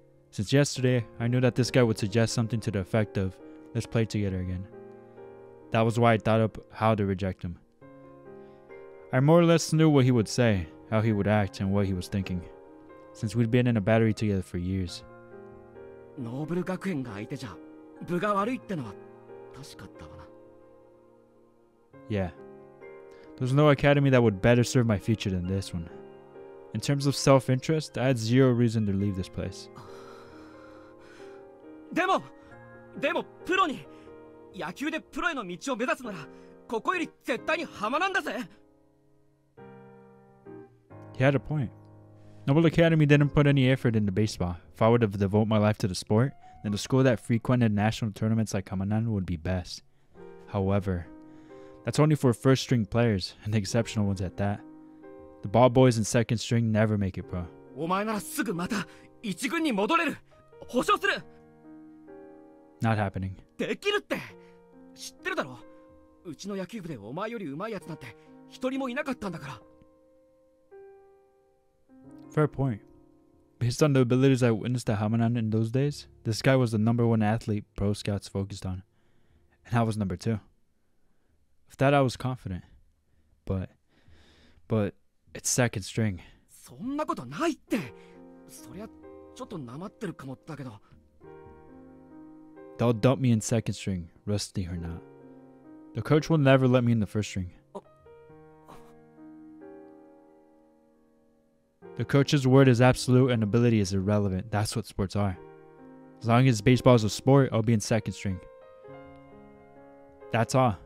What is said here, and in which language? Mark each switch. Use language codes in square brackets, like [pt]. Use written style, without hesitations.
[en] Since yesterday, I knew that this guy would suggest something to the effect of, let's play together again. That was why I thought up how to reject him. I more or less knew what he would say. How he would act and what he was thinking, since we'd been in a battery together for years. [ja] Noble 学園が相手じゃ部が悪いってのは確かだわな。 [en] Yeah. There's no academy that would better serve my future than this one. In terms of self-interest, I had zero reason to leave this place. [ja] でもプロに、野球でプロへの道を目指すなら、ここより絶対に浜なんだぜ。 [en] He had a point. Noble Academy didn't put any effort into baseball. If I were to devote my life to the sport, then the school that frequented national tournaments like Hamanan would be best. However, that's only for first string players, and the exceptional ones at that. The ball boys in second string never make it pro. [ja] お前ならすぐまた一軍に戻れる。保証する。 [en] Not happening. [ja] できるって。知ってるだろ。うちの野球部でお前より上手いやつなんて一人もいなかったんだから。 [en] Fair point. Based on the abilities I witnessed at Hamanan in those days, this guy was the number one athlete pro scouts focused on. And I was number two. With that, I was confident. But, it's second string. [ja] そんなことないって。そりゃ、ちょっとなまってるかもだけど。 [en] They'll dump me in second string, rusty or not. The coach will never let me in the first string. The coach's word is absolute and ability is irrelevant. That's what sports are. As long as baseball is a sport, I'll be in second string. That's all.